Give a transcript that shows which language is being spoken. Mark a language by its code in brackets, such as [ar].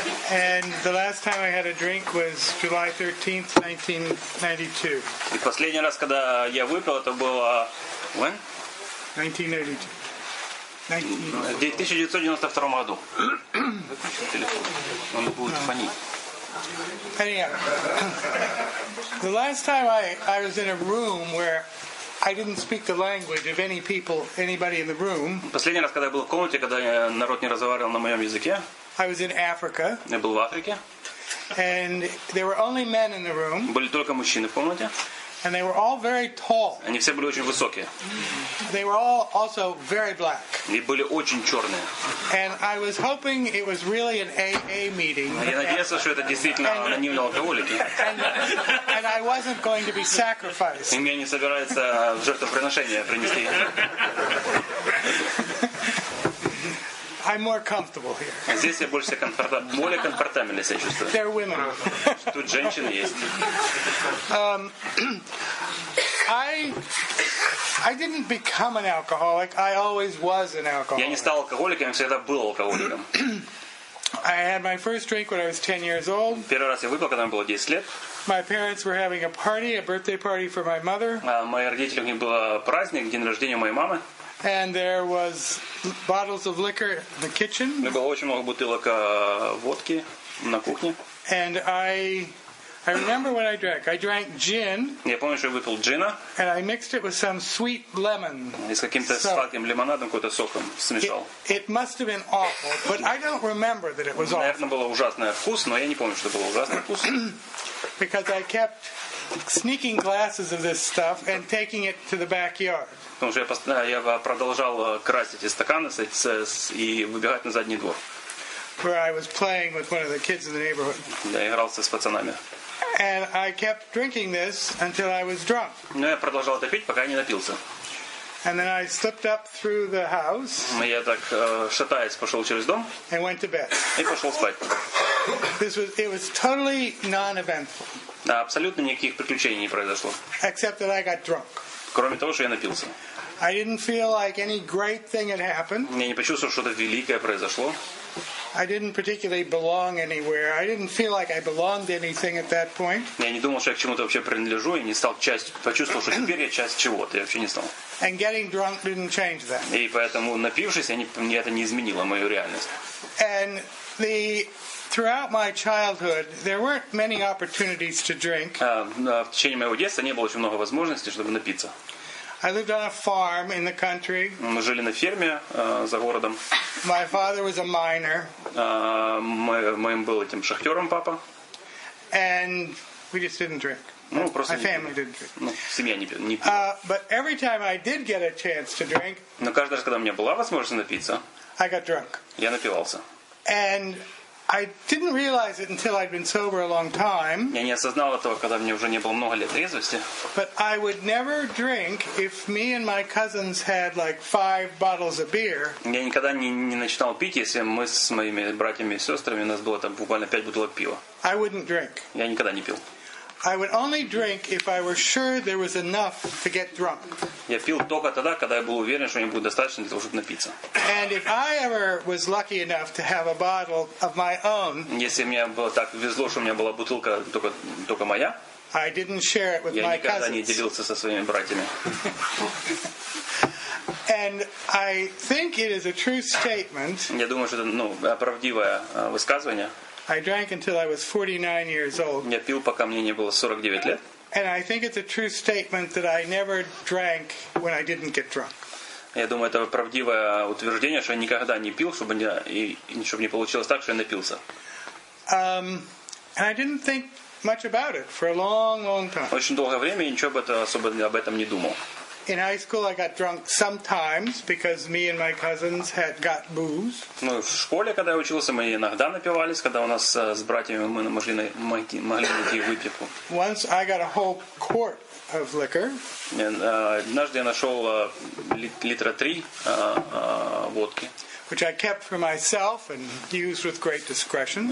[en] And the last time I had a drink was July 13th, 1992. [ru] И последний раз, когда я выпил, это было... [en] When? [ru] 1992 году. Телефон. Он будет фонить. [en] Anyhow, the last time I was in a room where... I didn't speak the language of any people, anybody in the room. [ru] Последний раз, когда я был в комнате, когда народ не разговаривал на моем языке. [en] I was in Africa. [ru] Я был в Африке. [en] And there were only men in the room. [ru] Были только мужчины в комнате. [en] And they were all very tall. [ru] Они все были очень высокие. [en] They were all also very black. [ru] И были очень черные. [en] And I was hoping it was really an AA meeting. [ru] Я надеялся, что это действительно анонимные алкоголики. [en] And I wasn't going to be sacrificed. [ru] И меня не собирается в жертвоприношение принести. [en] I'm more comfortable here. [ru] Здесь я больше более комфортабельно себя чувствую. [en] There are women. [ru] Тут женщины есть. [en] I didn't become an alcoholic. I always was an alcoholic. [ru] Я не стал алкоголиком, я всегда был алкоголиком. [en] I had my first drink when I was 10 years old. [ru] Первый раз я выпил, когда мне было 10 лет. [en] My parents were having a party, a birthday party for my mother. [ru] Мои родители, у них был праздник, день рождения моей мамы. [en] And there was bottles of liquor in the kitchen. [ru] У меня было очень много бутылок водки на кухне. [en] And I remember what I drank. I drank gin. [ru] Я помню, что я выпил джина. [en] And I mixed it with some sweet lemon. [ru] И с каким-то сладким лимонадом, какой-то соком смешал. [en] It must have been awful, but I don't remember that it was awful. [ru] Наверное, было ужасный вкус, но я не помню, что было ужасный вкус. [en] Because I kept sneaking glasses of this stuff and taking it to the backyard. [ru] Потому что я продолжал красть эти стаканы и выбегать на задний двор. [en] Where I was playing with one of the kids in the neighborhood. [ru] Я игрался с пацанами. [en] And I kept drinking this until I was drunk. [ru] Но я продолжал это пить, пока я не напился. [en] And then I slipped up through the house. [ru] Я так шатаясь пошел через дом. [en] And went to bed. [ru] И пошел спать. [en] It was totally non-eventful. [ru] Да, абсолютно никаких приключений не произошло. [en] Except that I got drunk. [ru] Кроме того, что я напился. [en] I didn't feel like any great thing had happened. [ru] Я не почувствовал, что-то великое произошло. [en] I didn't particularly belong anywhere. I didn't feel like I belonged anything at that point. [ru] Я не думал, что я к чему-то вообще принадлежу и не стал часть. Почувствовал, что теперь я часть чего-то. Я вообще не стал. [en] And getting drunk didn't change that. [ru] И поэтому напившись, это не изменило мою реальность. [en] And the throughout my childhood, there weren't many opportunities to drink. [ru] В течение моего детства не было очень много возможностей, чтобы напиться. [en] I lived on a farm in the country. [ru] Мы жили на ферме за городом. [en] My father was a miner. [ru] Моим был этим шахтером папа. [en] And we just didn't drink. [ru] Ну, [en] my family didn't drink. [ru] Ну, семья не пила. [en] But every time I did get a chance to drink. [ru] Но каждый раз, когда у меня была возможность напиться. [en] I got drunk. [ru] Я напивался. [en] And I didn't realize it until I'd been sober a long time. [ru] Я не осознал этого, когда мне уже не было много лет трезвости. [en] But I would never drink if me and my cousins had like 5 bottles of beer. [ru] Я никогда не начинал пить, если мы с моими братьями и сестрами у нас было там буквально 5 бутылок пива. [en] I wouldn't drink. [ru] Я никогда не пил. [en] I would only drink if I were sure there was enough to get drunk. [ru] Я пил только тогда, когда я был уверен, что мне будет достаточно для того, чтобы напиться. [en] And if I ever was lucky enough to have a bottle of my own. [ru] Если мне было так везло, что у меня была бутылка только моя. [en] I didn't share it with my cousins. [ru] Я никогда не делился со своими братьями. [en] And I think it is a true statement. [ru] Я думаю, что это, правдивое высказывание. [en] I drank until I was 49 years old. [ru] Я пил, пока мне не было 49 лет. [en] And I think it's a true statement that I never drank when I didn't get drunk. [ru] Я думаю, это правдивое утверждение, что я никогда не пил, чтобы не получилось так, что я напился. [en] And I didn't think much about it for a long, long time. [ru] Очень долгое время я ничего об этом не думал. [en] In high school I got drunk sometimes because me and my cousins had got booze. [ru] Ну, в школе, когда я учился, мы иногда напивались, когда у нас с братьями мы могли найти выпивку. [en] Once I got a whole quart of liquor. [ru] Однажды я нашел литра 3 водки. [en] which I kept for myself and used with great discretion.